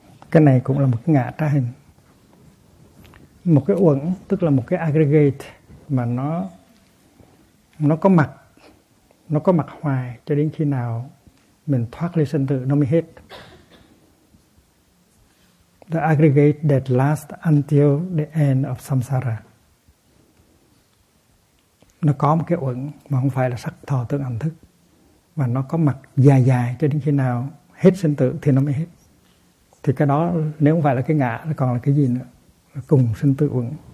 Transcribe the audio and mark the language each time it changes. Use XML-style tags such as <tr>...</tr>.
<vi>Cái này cũng là một cái ngã trái hình. Một cái uẩn, tức là một cái aggregate mà nó có mặt, nó có mặt hoài cho đến khi nào mình thoát ly sinh tử nó mới hết.</vi> <en>The aggregate that lasts until the end of samsara.</en> <vi>Nó có một cái uẩn mà không phải là sắc thọ tưởng hành thức, mà nó có mặt dài dài cho đến khi nào hết sinh tử thì nó mới hết. Thì cái đó nếu không phải là cái ngã nó còn là cái gì nữa, là cùng sinh tử uẩn.</vi>